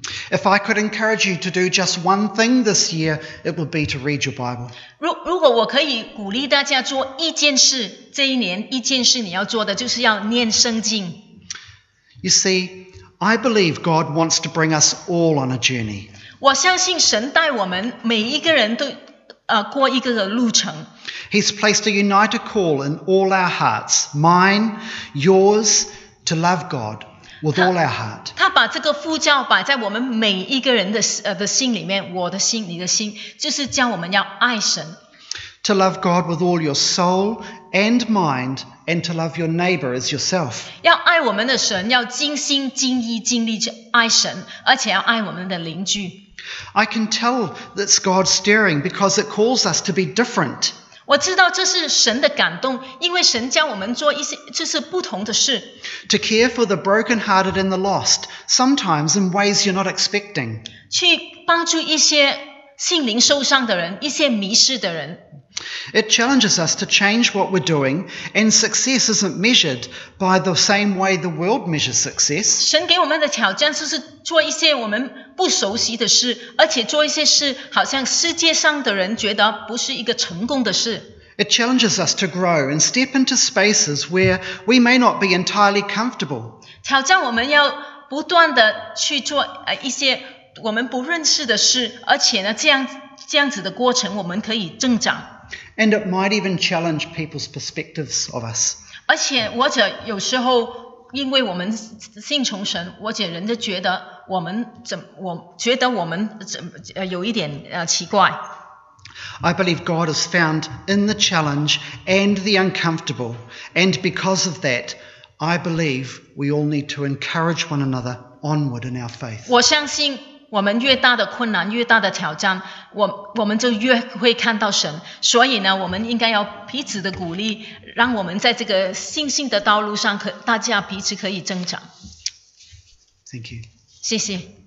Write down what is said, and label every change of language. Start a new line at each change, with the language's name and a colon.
English: If I could encourage you to do just one thing this year, it would be to read your Bible.
Chinese: 如果我可以鼓励大家做一件事，这一年一件事你要做的就是要念圣经。
English: You see, I believe God wants to bring us all on a journey.
Chinese: 我相信神带我们每一个人都过一个的路程。
English: He's placed a united call in all our hearts, mine, yours, to love God with all our heart.
Chinese: 他把这个呼召摆在我们每一个人的心里面，我的心，你的心，就是叫我们要爱神。
English: To love God with all your soul and mind, and to love your neighbor as yourself.
Chinese: 要爱我们的神，要尽心、尽意、尽力去爱神，而且要爱我们的邻居。
English: I can tell that's God stirring because it calls us to be different.
Chinese: 我知道这是神的感动，因为神叫我们做一些就是不同的事。
English: To care for the brokenhearted and the lost, sometimes in ways you're not expecting.
Chinese: 去帮助一些心灵受伤的人，一些迷失的人。
English: It challenges us to change what we're doing, and success isn't measured by the same way the world measures success.
Chinese: 神给我们的挑战就是做一些我们不熟悉的事，而且做一些事好像世界上的人觉得不是一个成功的事。
English: It challenges us to grow and step into spaces where we may not be entirely comfortable.
Chinese: 挑战我们要不断的去做一些我们不认识的事，而且呢这样子的过程我们可以增长。
English: And it might even challenge people's perspectives of us.
Chinese: 而且或者有时候因为我们信从神，或者人家觉得我们怎么，我觉得我们怎么有一点奇怪。
English: I believe God is found in the challenge and the uncomfortable, and because of that, I believe we all need to encourage one another onward in our faith.
Chinese: 我相信我们越大的困难，越大的挑战，我们就越会看到神。所以呢，我们应该要彼此的鼓励，让我们在这个信心的道路上大家彼此可以增长。
English: Thank you.
Chinese: 谢谢。